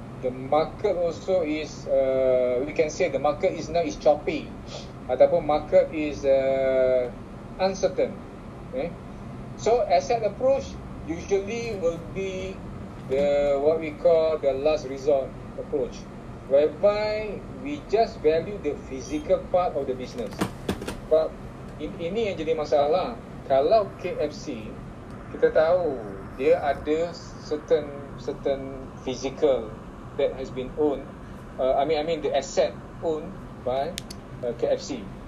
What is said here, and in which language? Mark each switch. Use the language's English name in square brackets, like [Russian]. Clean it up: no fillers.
[English] The market also is we can say the market is now is choppy ataupun market is uncertain. So asset approach usually will be the what we call the last resort approach, whereby we just value the physical part of the business. [Malay] But ini yang jadi masalah. Kalau KFC, kita tahu dia ada [English] certain physical that has been owned, I mean the asset owned by KFC.